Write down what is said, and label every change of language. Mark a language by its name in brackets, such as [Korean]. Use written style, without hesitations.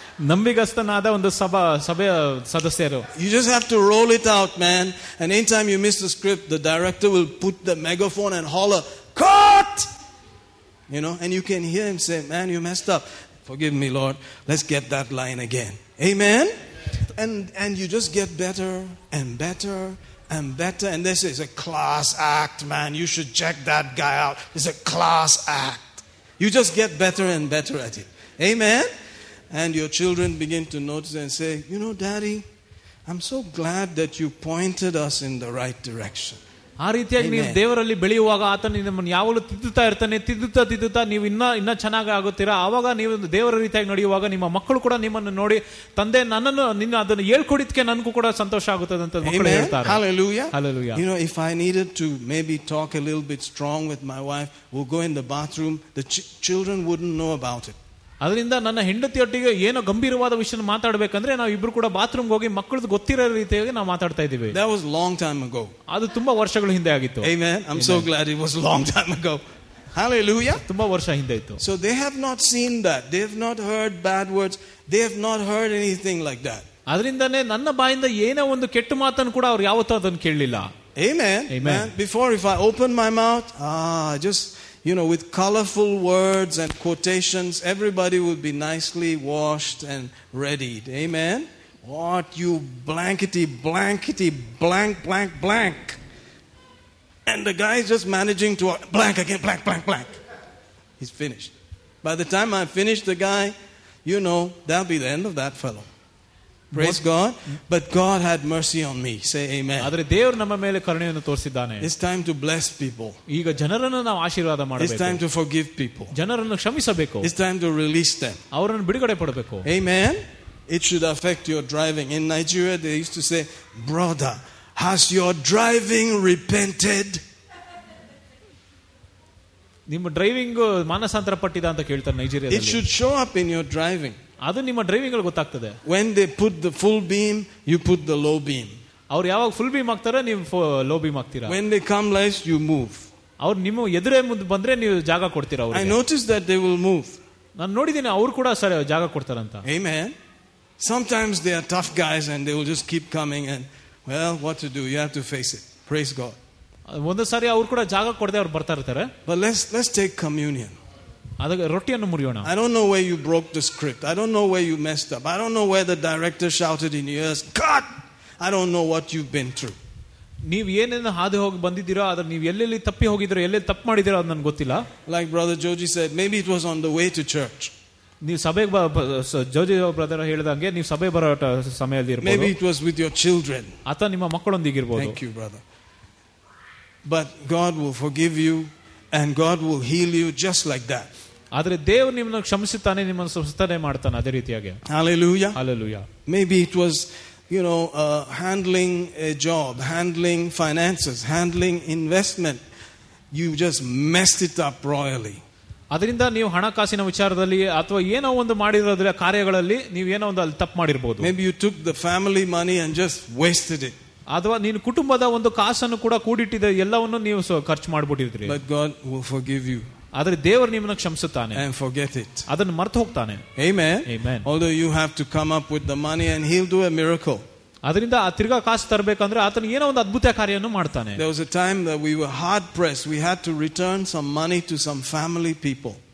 [Kannada] ನಂಬಿಗಸ್ತನಾದ ಒಂದು ಸಭೆಯ ಸದಸ್ಯರು. [English] You just have to roll it out man. And any time you miss the script, the director will put the megaphone and holler cut. You know, and you can hear him say, man you messed up, forgive me Lord, let's get that line again. Amen. And you just get better and better and better. And this is a class act, man. You should check that guy out. It's a class act. You just get better and better at it. Amen. And your children begin to notice and say, you know, Daddy, I'm so glad that you pointed us in the right direction. [Kannada] ಆ ರೀತಿಯಾಗಿ ನೀವು ದೇವರಲ್ಲಿ ಬೆಳೆಯುವಾಗ ಆತನು ನಿಮ್ಮನ್ನು ಯಾವಾಗಲೂ ತಿದ್ದುತ್ತಾ ಇರ್ತಾನೆ. ತಿದ್ದುತ್ತಾ ತಿದ್ದುತ್ತಾ ನೀವು ಇನ್ನ ಚೆನ್ನಾಗಿ ಆಗುತ್ತೀರಾ. ಆವಾಗ ನೀವು ದೇವರ ರೀತಿಯಾಗಿ ನಡೆಯುವಾಗ ನಿಮ್ಮ ಮಕ್ಕಳು ಕೂಡ ನಿಮ್ಮನ್ನು ನೋಡಿ, ತಂದೆ ನನ್ನನ್ನು ನಿನ್ನ ಅದನ್ನು ಹೇಳ್ಕೊಡಿದ್ಕೆ ನನಗೂ ಕೂಡ ಸಂತೋಷ ಆಗುತ್ತದೆ ಅಂತ ಮಕ್ಕಳು ಹೇಳ್ತಾರೆ. [English] Hallelujah. Hallelujah. You know, if I needed to maybe talk a little bit strong with my wife, we'll go in the bathroom, the children wouldn't know about it. [Kannada] ಅದರಿಂದ ನನ್ನ ಹೆಂಡತಿಯೊಟ್ಟಿಗೆ ಏನೋ ಗಂಭೀರವಾದ ವಿಷಯ ಮಾತಾಡಬೇಕಂದ್ರೆ ನಾವು ಇಬ್ರು ಕೂಡ ಬಾತ್ರೂಮ್ ಹೋಗಿ ಮಕ್ಕಳು ಗೊತ್ತಿರೋ ರೀತಿಯಾಗಿ ನಾವು ಮಾತಾಡ್ತಾ ಇದೀವಿ. [English] That was long time ago. [Kannada] ಅದು ತುಂಬಾ ವರ್ಷಗಳ ಹಿಂದೆ ಆಗಿತ್ತು. [English] Amen. I'm so glad it was long time ago. Hallelujah. [Kannada] ತುಂಬಾ ವರ್ಷ ಹಿಂದೆ ಇತ್ತು. [English] So they have not seen that. They have not heard bad words. They have not heard anything like that. [Kannada] ಅದರಿಂದನೇ ನನ್ನ ಬಾಯಿಂದ ಏನೋ ಒಂದು ಕೆಟ್ಟ ಮಾತನ್ನು ಕೂಡ ಅವರು ಯಾವತ್ತೂ ಅದನ್ನು ಕೇಳಲಿಲ್ಲ. [English] Amen. Amen. Before, if I open my mouth, just, you know, with colorful words and quotations, everybody would be nicely washed and readied. Amen. What you blankety, blankety, blank, blank, blank. And the guy is just managing to blank again, blank, blank, blank. He's finished. By the time I finish the guy, you know, that'll be the end of that fellow. Praise God. But God had mercy on me. Say amen. [Kannada] ಆದರೆ ದೇವರು ನಮ್ಮ ಮೇಲೆ ಕರುಣೆಯನ್ನು ತೋರಿಸಿದ್ದಾನೆ. [English] It's time to bless people. [Kannada] ಈಗ ಜನರನ್ನು ನಾವು ಆಶೀರ್ವಾದ ಮಾಡಬೇಕು. [English] It's time to forgive people. [Kannada] ಜನರನ್ನು ಕ್ಷಮಿಸಬೇಕು. [English] It's time to release them. [Kannada] ಅವರನ್ನು ಬಿಡುಗಡೆ ಪಡಬೇಕು. [English] Amen. It should affect your driving. In Nigeria they used to say, "Brother, has your driving repented?" [Kannada] ನಿಮ್ಮ ಡ್ರೈವಿಂಗ್ ಮನಸಾಂತರ ಪಟ್ಟಿದ ಅಂತ ಹೇಳ್ತಾರೆ ನೈಜೀರಿಯಾದಲ್ಲಿ. [English] It should show up in your driving. [Kannada] ಅದು ನಿಮ್ಮ ಡ್ರೈವಿಂಗ್ ಅಲ್ಲಿ ಗೊತ್ತಾಗ್ತದೆ. [English] When they put the full beam, you put the low beam. [Kannada] ಅವರು ಯಾವಾಗ full beam ಹಾಕ್ತಾರೆ ನೀವು ಲೋ ಬೀಮ್ ಹಾಕ್ತೀರಾ. [English] When they come last, you move. [Kannada] ಅವ್ರು ನಿಮ್ಮ ಎದುರೇ ಮುಂದೆ ಬಂದ್ರೆ ನೀವು ಜಾಗ ಕೊಡ್ತೀರಾ ಅವ್ರಿಗೆ. [English] I noticed that they will move. [Kannada] ನಾನು ನೋಡಿದ್ದೀನಿ ಅವ್ರು ಕೂಡ ಸರಿ ಜಾಗ ಕೊಡ್ತಾರಂತ. [English] Amen. Sometimes they are tough guys and they will just keep coming and well, what to do? You have to face it. Praise God. [Kannada] ಒಂದು ಸಾರಿ ಅವ್ರು ಕೂಡ ಜಾಗ ಕೊಡದೆ ಅವ್ರು ಬರ್ತಾ ಇರ್ತಾರೆ. [English] But let's take communion. [Kannada] ಅದಕ್ಕೆ ರೊಟ್ಟಿಯನ್ನು ಮುರಿಯೋಣ. [English] I don't know where you broke the script. I don't know where you messed up. I don't know where the director shouted in your ears, "Cut!" I don't know what you've been through. [Kannada] ನೀವು ಏನೇನು ಹಾದು ಹೋಗಿ ಬಂದಿದ್ದೀರೋ ಅದ್ರ ನೀವು ಎಲ್ಲೆಲ್ಲಿ ತಪ್ಪಿ ಹೋಗಿದ್ದೀರೋ ಎಲ್ಲೆಲ್ಲಿ ತಪ್ಪು ಮಾಡಿದಿರೋ ಅದು ನನಗೆ ಗೊತ್ತಿಲ್ಲ. [English] Like brother Joji said, maybe it was on the way to church. [Kannada] ನೀವು ಸಭೆಗೆ ಜೋಜಿ ಬ್ರದರ್ ಹೇಳಿದಂಗೆ ನೀವು ಸಭೆ ಬರೋ ಸಮಯದಲ್ಲಿ ಇರಬಹುದು. [English] Maybe it was with your children. [Kannada] ಅತ ನಿಮ್ಮ ಮಕ್ಕಳೊಂದಿಗೆ ಇರಬಹುದು. [English] Thank you brother. But God will forgive you and God will heal you just like that. [Kannada] ಆದರೆ ದೇವರು ನಿಮ್ಮನ್ನು ಕ್ಷಮಿಸುತ್ತಾನೆ ನಿಮ್ಮನ್ನು ಸ್ವಸ್ಥನೆ ಮಾಡ್ತಾನೆ ಅದೇ ರೀತಿಯಾಗಿ. [English] Hallelujah. Hallelujah. Maybe it was, you know, handling a job, handling finances, handling investment. You just messed it up royally. [Kannada] ಅದರಿಂದ ನೀವು ಹಣಕಾಸಿನ ವಿಚಾರದಲ್ಲಿ ಅಥವಾ ಏನೋ ಒಂದು ಮಾಡಿರೋದ್ರ ಕಾರ್ಯಗಳಲ್ಲಿ ನೀವು ಏನೋ ಒಂದು ಅಲ್ಲಿ ತಪ್ಪು ಮಾಡಿರಬಹುದು. [English] Maybe you took the family money and just wasted it. [Kannada] ಅಥವಾ ನೀನು ಕುಟುಂಬದ ಒಂದು ಕಾಸನ್ನು ಕೂಡ ಕೂಡಿಟ್ಟಿದ್ರೆ ಎಲ್ಲವನ್ನೂ ನೀವು ಖರ್ಚು ಮಾಡಿಬಿಟ್ಟಿದ್ರಿ. [English] But God will forgive you. [Kannada] ಆದರೆ ದೇವರು ನಿಮ್ಮನ್ನು ಕ್ಷಮಿಸುತ್ತಾನೆ. [English] And forget it. [Kannada] ಅದನ್ನು ಮರೆತು ಹೋಗ್ತಾನೆ. [English] Amen. Amen. Although you have to come up with the money and he'll do a miracle. [Kannada] ಅದರಿಂದ ಆ ತಿರ್ಗಾ ಕಾಸು ತರಬೇಕಂದ್ರೆ ಆತನ ಏನೋ ಒಂದು ಅದ್ಭುತ ಕಾರ್ಯವನ್ನು ಮಾಡ್ತಾನೆ. [English] There was a time that we were hard pressed. We had to return some money to some family people.